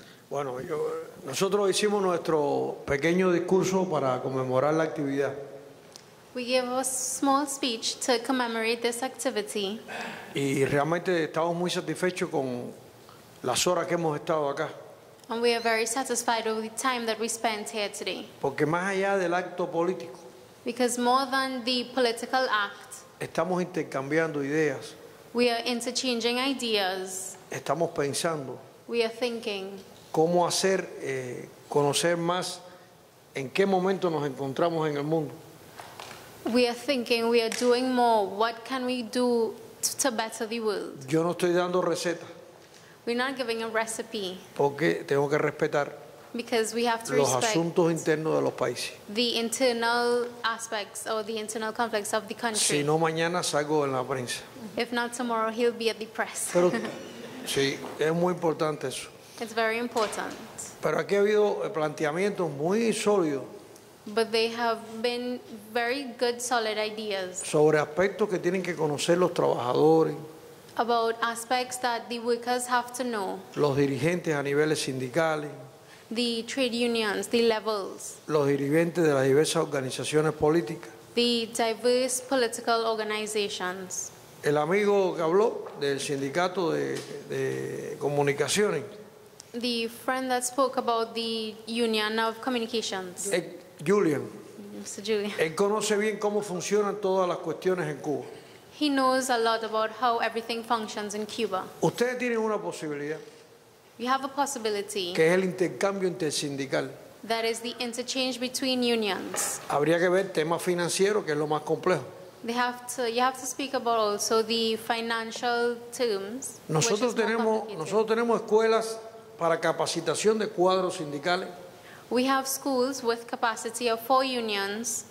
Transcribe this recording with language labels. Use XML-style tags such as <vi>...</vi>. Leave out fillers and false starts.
<es>Bueno, nosotros hicimos nuestro pequeño discurso para conmemorar la actividad.</es> <en>We gave a small speech to commemorate this activity.</en> <es>Y realmente estamos muy satisfechos con las horas que hemos estado acá.</es> <en>And we are very satisfied with the time that we spent here today.</en> <es>Porque más allá del acto político.</es> <en>Because more than the political act.</en> <es>Estamos intercambiando ideas.</es> <en>We are interchanging ideas.</en> <es>Estamos pensando.</es> <en>We are thinking.</en> <es>Cómo hacer conocer más en qué momento nos encontramos en el mundo.</es> <en>We are thinking, we are doing more. What can we do to better the world?</en> <es>Yo no estoy dando recetas.</es> <en>We're not giving a recipe.</en> <es>Porque tengo que respetar.</es> <en>because we have to</en> <es>los asuntos internos de los países.</es> <en>The internal aspects or the internal conflicts of the country.</en> <es>Si no, mañana salgo en la prensa.</es> <en>If not tomorrow, he'll be at the press.</en> <es>Pero, sí, es muy importante eso.</es> <en>It's very important.</en> <es>Pero aquí ha habido planteamientos muy sólidos.</es> <en>But they have been very good, solid ideas.</en> <es>Sobre aspectos que tienen que conocer los trabajadores.</es> <en>About aspects that the workers have to know.</en> <es>Los dirigentes a niveles sindicales.</es> <en>The trade unions, the levels.</en> <es>Los dirigentes de las diversas organizaciones políticas.</es> <en>The diverse political organizations.</en> <es>El amigo que habló del sindicato de comunicaciones.</es> <en>The friend that spoke about the union of communications.</en> <es>Julian.</es> <en>Mr. Julian.</en> <es>Él conoce bien cómo funcionan todas las cuestiones en Cuba.</es> <en>He knows a lot about how everything functions in Cuba.</en> <es>Ustedes tienen una posibilidad.</es> <en>You have a possibility.</en> <es>Que es el intercambio intersindical.</es> <en>That is the interchange between unions.</en> <es>Habría que ver tema financiero, que es lo más complejo.</es> <en>You have to speak about also the financial terms.</en> <es>Nosotros tenemos escuelas para capacitación de cuadros sindicales.</es> <en>We have schools with capacity of four unions.</en>